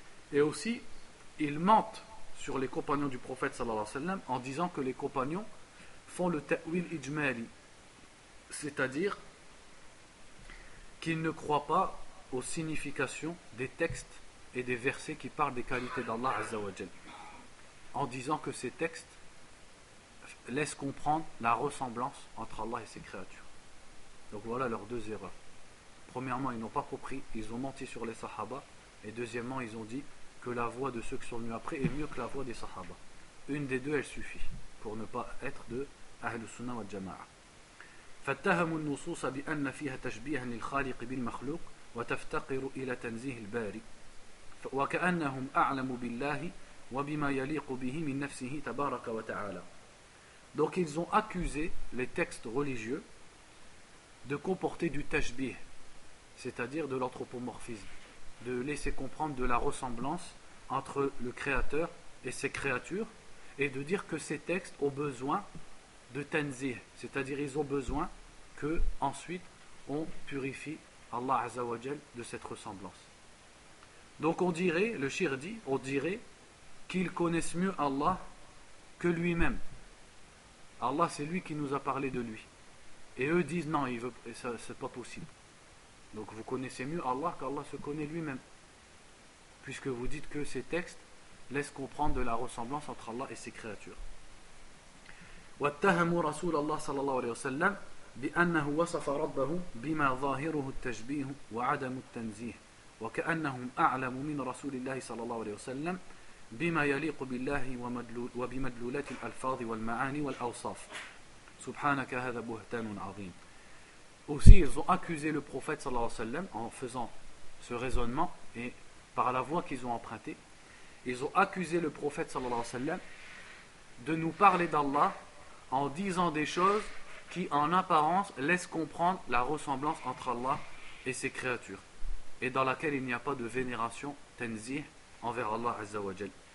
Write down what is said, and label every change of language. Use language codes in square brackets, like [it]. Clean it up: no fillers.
[fr] Et aussi, ils mentent sur les compagnons du prophète sallallahu alayhi wa sallam en disant que les compagnons font le ta'wil ijmali, c'est-à-dire qu'ils ne croient pas aux significations des textes et des versets qui parlent des qualités d'Allah azzawajal, en disant que ces textes laissent comprendre la ressemblance entre Allah et ses créatures. Donc voilà leurs deux erreurs. Premièrement, ils n'ont pas compris, ils ont menti sur les sahabas, et deuxièmement, ils ont dit que la voix de ceux qui sont venus après est mieux que la voix des sahabas. Une des deux, elle suffit pour ne pas être de Ahl Sunnah wa Jama'a. [ar] فاتهموا النصوص بأن فيها تشبيها للخالق بالمخلوق وتفتقر إلى تنزيه الباري وكأنهم أعلموا بالله وبما يليق به من نفسه تبارك وتعالى. [fr] Donc ils ont accusé les textes religieux de comporter du tashbih, c'est-à-dire de l'anthropomorphisme, de laisser comprendre de la ressemblance entre le Créateur et ses créatures, et de dire que ces textes ont besoin de tanzih, c'est-à-dire ils ont besoin que ensuite on purifie Allah Azza wa Jal de cette ressemblance. Donc on dirait, le shir dit, on dirait qu'ils connaissent mieux Allah que lui-même. Allah, c'est lui qui nous a parlé de lui. Et eux disent non, il veut, ça, c'est pas possible. Donc vous connaissez mieux Allah qu'Allah se connaît lui-même, puisque vous dites que ces textes laissent comprendre de la ressemblance entre Allah et ses créatures. [ar] واتهموا رسول الله صلى الله عليه وسلم بأنه وصف ربه بما ظاهره التشبيه وعدم التنزيه وكأنهم أعلم من رسول الله صلى الله عليه وسلم بما يليق بالله وبمدلولات الألفاظ والمعاني والأوصاف سبحانك هذا بهتان عظيم. [fr] Aussi ils ont accusé le prophète [ar] صلى الله عليه وسلم [fr] en faisant ce raisonnement et par la voie qu'ils ont empruntée, ils ont accusé le prophète صلى الله عليه وسلم de nous parler d'Allah en disant des choses qui en apparence laissent comprendre la ressemblance entre Allah et ses créatures, et dans laquelle il n'y a pas de vénération, tanzih, envers Allah Azza wa Jal.